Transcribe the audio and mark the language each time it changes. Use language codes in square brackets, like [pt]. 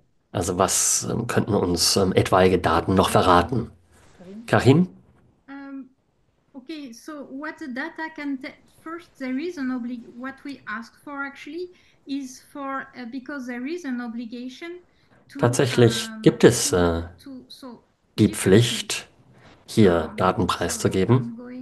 [de] Also was könnten uns etwaige Daten noch verraten? Karin? [en] What we ask for actually is for because there is an obligation. [de] Tatsächlich gibt es die Pflicht, hier Daten preiszugeben.